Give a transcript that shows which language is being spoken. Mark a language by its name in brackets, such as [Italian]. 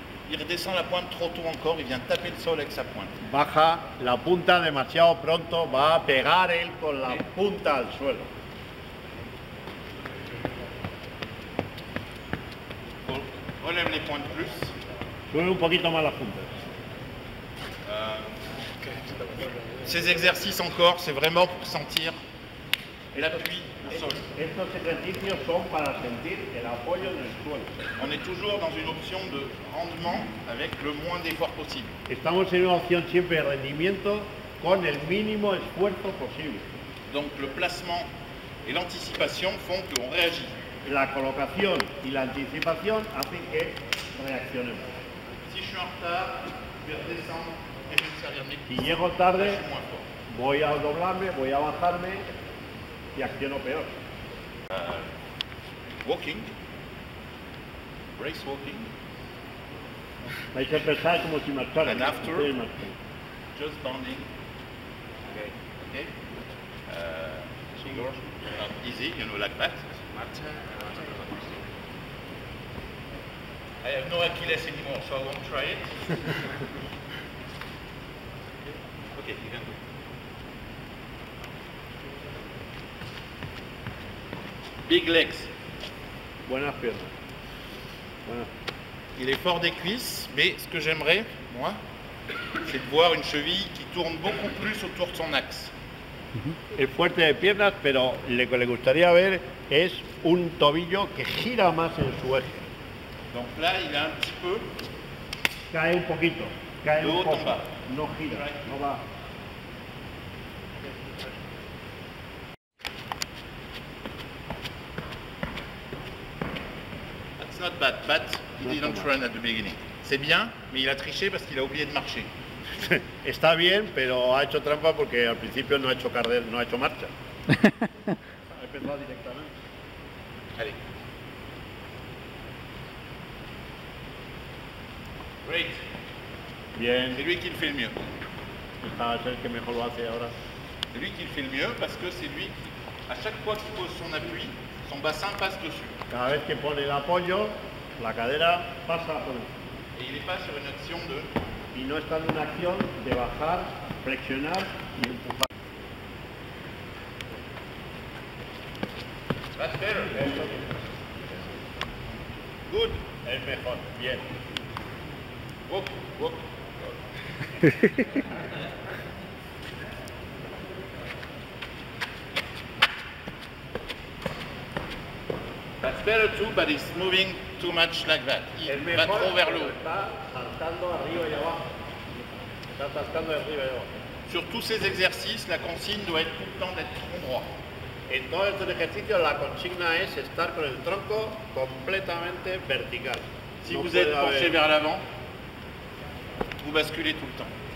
[French] Il redescend la pointe trop tôt encore, il vient taper le sol avec sa pointe. [Spanish] Baja la punta demasiado pronto, va a pegar él con la punta al suelo. [French] Relève les pointes plus. [Spanish] Sube un poquito más las puntas. [French] Ces exercices encore, c'est vraiment pour sentir el appui au sol. [Spanish] Estos ejercicios son para sentir el apoyo en el suelo. [French] On est toujours dans une option de rendement avec le moins d'effort possible. [Spanish] Estamos en una opción siempre de rendimiento con el mínimo esfuerzo posible. [French] Donc le placement et l'anticipation font qu'on réagit. [Spanish] La colocación y la anticipación hacen que reaccionemos. [French] Si je suis en retard, je vais redescendre et je vais me servir de mes [Spanish] coups. Si llego tarde, voy a doblarme, voy a bajarme y acciono peor. [English] Walking. Race walking. [Spanish] Me hice pensar como si marchara. [English] And after, just bounding. Okay. Okay. Not easy, you know, like that. I have no Achilles anymore, so I won't try it. Okay, you can go. Big legs. [Spanish] Buenas piernas. [French] Il est fort des cuisses, mais ce que j'aimerais, moi, c'est de voir une cheville qui tourne beaucoup plus autour de son axe. [Spanish] Es fuerte de piernas, pero lo que le gustaría ver es un tobillo que gira más en su eje. [French] Donc là, il est un petit peu. [Spanish] Cae un poquito. Cae un poco. No gira, no va. [English] That's not bad, but he didn't run at the beginning. [French] C'est bien, mais il a triché parce qu'il a oublié de marcher. [Spanish] Está bien, pero ha hecho trampa porque al principio no ha hecho carrera, no ha hecho marcha. Ha empezado directamente. [French] Allez. [English] Great. [Spanish] Bien. [French] C'est lui qui le fait le mieux. [Spanish] Va a ser el que mejor lo hace ahora. [French] C'est lui qui le fait le mieux parce que c'est lui qui, à chaque fois qu'il pose son appui, son bassin passe dessus. [Spanish] Cada vez que pone el apoyo, la cadera pasa por dessus. [French] Et il n'est pas sur une action de. [Spanish] Y no está en una acción de bajar, flexionar y empujar. [English] That's better. Good. [Spanish] Es mejor. Bien. [English] Walk, walk. That's better too, but it's moving too much like that. [French] Va trop vers le haut. [Spanish] Está saltando arriba y abajo. Está saltando de arriba y abajo. [French] Sur tous ces exercices, la consigne doit être tout le temps d'être tronc droit. [Spanish] En todos estos ejercicios, la consigna es estar con el tronco completamente vertical. [French] Si vous êtes penché vers l'avant, vous basculez tout le temps.